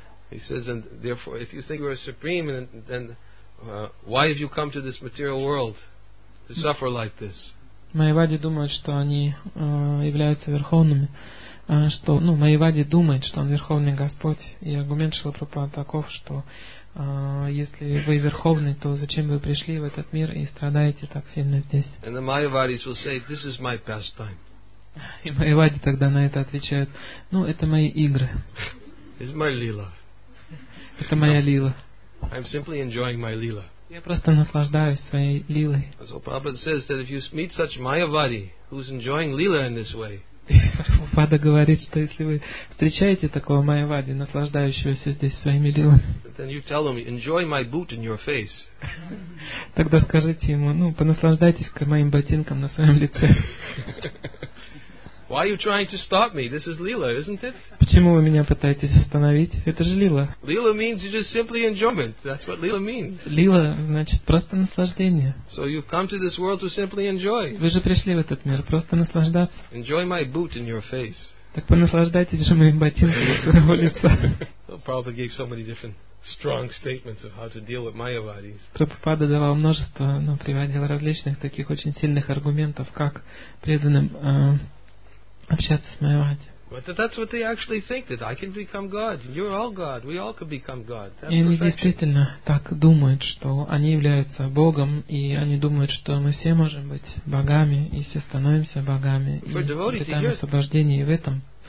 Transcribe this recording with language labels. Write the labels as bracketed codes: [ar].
[en] He says, and therefore, if you think we're supreme, then why have you come to this material world to suffer like this? [ru] Майявади думает, что они являются верховными, что, ну, Майявади думает, что он верховный Господь. И аргумент Шрилы Прабхупады таков, что если вы верховный, то зачем вы пришли в этот мир и страдаете так сильно здесь? [en] And the Mayavadis will say, this is my pastime. [ru] И Майявади тогда на это отвечают, ну, это мои игры. [en] It's my lila. [ru] Это моя лила. [en] I'm simply enjoying my lila. [ru] Я просто наслаждаюсь своей лилой. [en] So Prabhupada says that if you meet such Mayavadi who's enjoying lila in this way, [ru] Прабхупада говорит, что если вы встречаете такого майявади, наслаждающегося здесь своими лилами, тогда скажите ему, ну, понаслаждайтесь-ка моим ботинком на своем лице. [en] Why are you trying to stop me? This is Leela, isn't it? [ru] Почему вы меня пытаетесь остановить? Это же Лила. [en] Leela means just simply enjoyment. That's what Leela means. [ru] Лила значит просто наслаждение. [en] So you've come to this world to simply enjoy. [ru] Вы же пришли в этот мир просто наслаждаться. [en] Enjoy my boot in your face. [ru] Так понаслаждайтесь же моим ботинком с моего лица. [en] Prabhupada gave so many different strong statements of how to deal with mayavadis. [ru] Прабхупада давал множество, но приводил различных таких очень сильных аргументов, как преданным общаться с майявади. [en] But that's what they actually think, that I can become God. You're all God. We all could become God. [ru] И они действительно так думают, что они являются Богом, и они думают, что мы все можем быть богами, и все становимся богами. И освобождение в этом.